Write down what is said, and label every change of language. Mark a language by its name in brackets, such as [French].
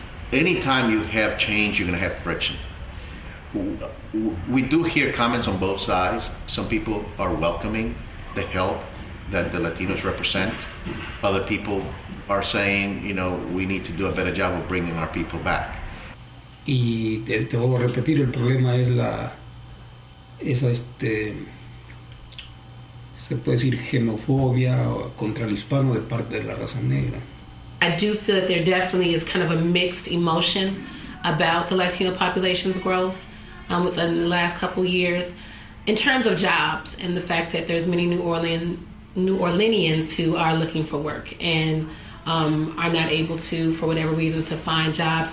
[English] Anytime you have change, you're going to have friction. We do hear comments on both sides. Some people are welcoming the help that the Latinos represent. Other people are saying, you know, we need to do a better job of bringing our people back. [Spanish] Y te vuelvo a repetir, el problema es la, esa se puede decir xenofobia contra el hispano de parte de la raza negra. [English] I do feel that there definitely is kind of a mixed emotion about the Latino population's growth. Within the last couple years, in terms of jobs and the fact that there's many New Orleans New Orleanians who are looking for work and are not able to, for whatever reasons, to find jobs.